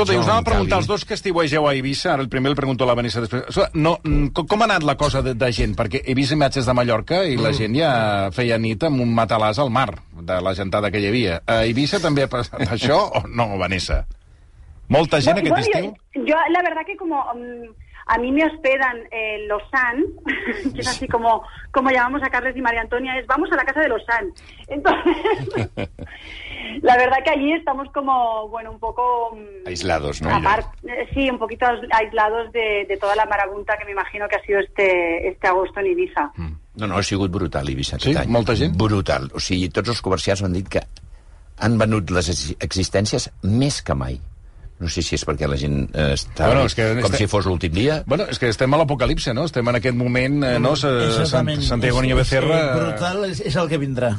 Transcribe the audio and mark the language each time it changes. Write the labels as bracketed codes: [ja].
[ca] Escolta, us anava a preguntar els dos que estiuegeu a Eivissa, ara el primer el pregunto a la Vanessa després. Escolta, com ha anat la cosa de gent? Perquè he vist imatges de Mallorca i la gent ja feia nit amb un matalàs al mar, de la gentada que hi havia. A Eivissa també ha passat això o no, Vanessa? Molta gent aquest estiu? [es] Jo, la verdad que como... A mí me hospedan los Sanz, que es así como llamamos a Carles y María Antonia, es vamos a la casa de los Sanz. Entonces, la verdad que allí estamos como, bueno, un poco... Aislados, ¿no? Sí, un poquito aislados de toda la marabunta que me imagino que ha sido este agosto en Eivissa. [ca] No, ha sigut brutal, Eivissa, aquest any. Sí, molta gent? Brutal. O sigui, tots els comerciants han dit que han venut les existències més que mai. No sé si és perquè la gent està com si fos l'últim dia. Bueno, és que estem a l'apocalipsi, no? Estem en aquest moment, no? Santiago Niño Becerra... Brutal és el que vindrà.